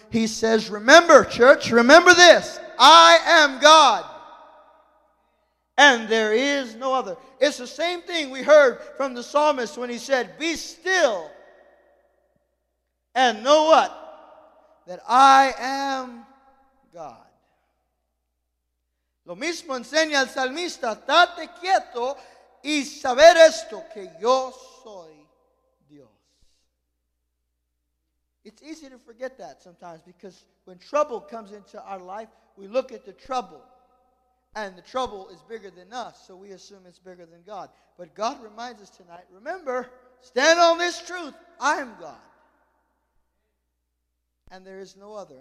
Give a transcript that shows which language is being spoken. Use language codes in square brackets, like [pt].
[en] He says, remember, church, remember this. I am God, and there is no other. It's the same thing we heard from the psalmist when he said, be still and know what? That I am God. [es] Lo mismo enseña el salmista, estate quieto y saber esto, que yo soy Dios. [en] It's easy to forget that sometimes, because when trouble comes into our life, we look at the trouble, and the trouble is bigger than us, so we assume it's bigger than God. But God reminds us tonight, remember, stand on this truth, I am God, and there is no other.